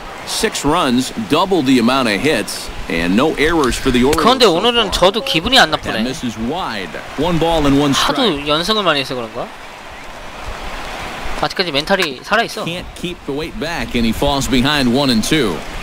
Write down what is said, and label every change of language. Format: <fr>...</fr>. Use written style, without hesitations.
<en>6 runs, double the amount of hits and no errors for the Orioles.</en> <ko>그런데 오늘은 저도 기분이 안 나쁘네. 하도 연승을 많이 해서 그런가? 아직까지 멘탈이 살아 있어.</ko> <en>Can't keep the weight back and he falls behind 1 and 2.</en>